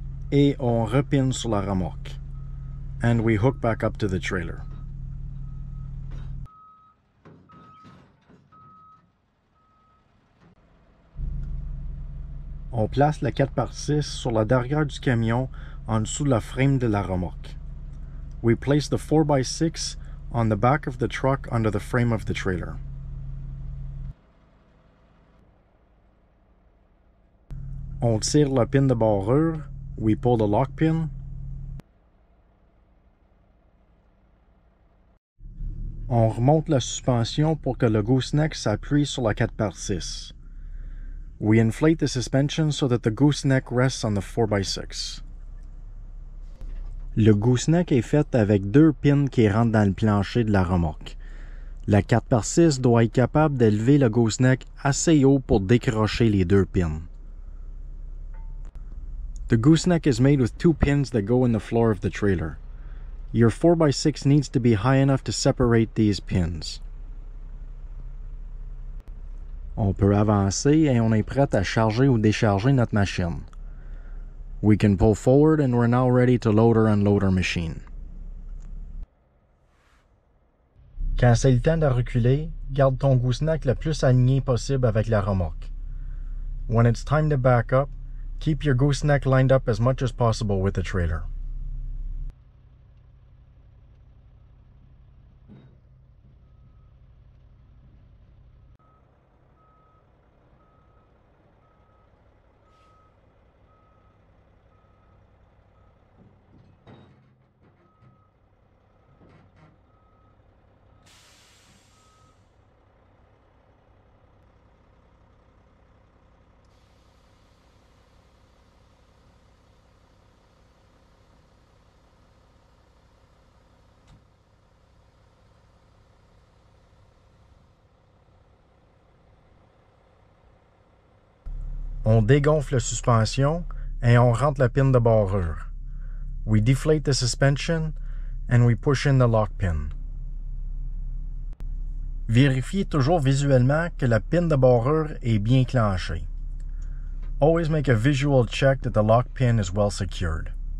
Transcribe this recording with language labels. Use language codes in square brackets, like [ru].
[fr] Et on repine sur la remorque. [en] And we hook back up to the trailer. [fr] On place le 4x6 sur la derrière du camion en dessous de la frame de la remorque. [en] We place the 4x6 on the back of the truck under the frame of the trailer. [fr] On tire la pin de barreur. [en] We pull the lock pin. [fr] On remonte la suspension pour que le gooseneck s'appuie sur la 4x6. [en] We inflate the suspension so that the gooseneck rests on the 4x6. [fr] Le gooseneck est fait avec deux pins qui rentrent dans le plancher de la remorque. La 4x6 doit être capable d'élever le gooseneck assez haut pour décrocher les deux pins. [en] The gooseneck is made with two pins that go in the floor of the trailer. Your 4x6 needs to be high enough to separate these pins. [fr] On peut avancer et on est prêt à charger ou décharger notre machine. [en] We can pull forward and we're now ready to load or unload our machine. [fr] Quand c'est le temps de reculer, garde ton gooseneck le plus aligné possible avec la remorque. [en] When it's time to back up, keep your gooseneck lined up as much as possible with the trailer. [fr] On dégonfle la suspension et on rentre la pin de barrure. [en] We deflate the suspension and we push in the lock pin. [fr] Vérifiez toujours visuellement que la pin de barrure est bien clenchée. [en] Always make a visual check that the lock pin is well secured.